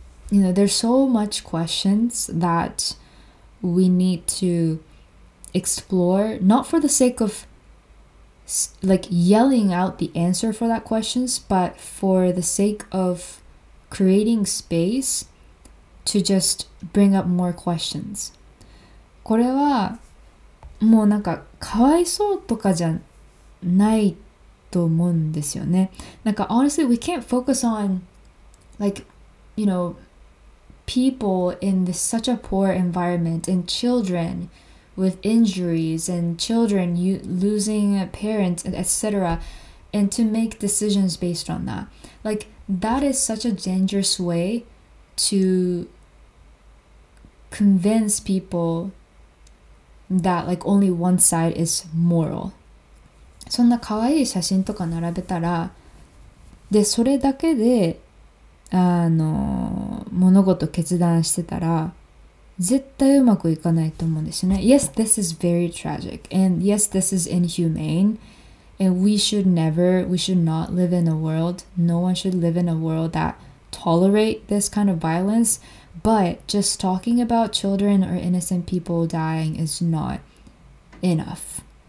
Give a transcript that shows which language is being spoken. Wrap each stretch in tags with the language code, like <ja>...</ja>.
<en>You know, there's so much questions that we need to explore, not for the sake of, like, yelling out the answer for that questions, but for the sake of creating space to just bring up more questions.</en> <ja>これはもうなんかかわいそうとかじゃないと思うんですよね。</ja> <en>なんか honestly, we can't focus on, like, you know,people in this such a poor environment and children with injuries and children losing parents, etc. And to make decisions based on that. Like, that is such a dangerous way to convince people that, like, only one side is moral.</en> <ja>そんな可愛い写真とか並べたら、で、それだけで、あの、物事決断してたら絶対うまくいかないと思うんですよね。</ja> <en>Yes, this is very tragic. And yes, this is inhumane. And we should not live in a world, no one should live in a world that tolerate this kind of violence. But just talking about children or innocent people dying is not enough.</en>